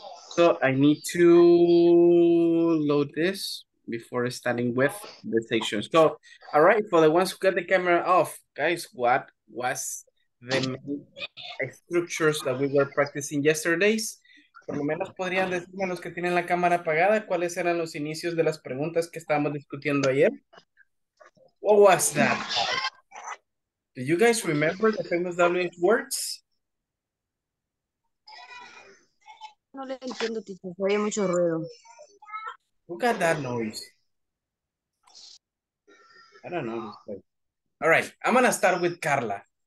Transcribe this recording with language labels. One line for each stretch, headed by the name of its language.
English: So I need to load this before starting with the section. So, all right, for the ones who got the camera off, guys, what was the main structures that we were practicing yesterday's?
Spanish: Por lo menos podrían decirme los que tienen la cámara apagada, ¿cuáles eran los inicios de las preguntas que estábamos discutiendo ayer?
English: What was that? Do you guys remember the famous WH words?
Spanish: No le entiendo, tío. Hay mucho ruido.
English: Who got that noise? I don't know. All right, I'm gonna start with Carla.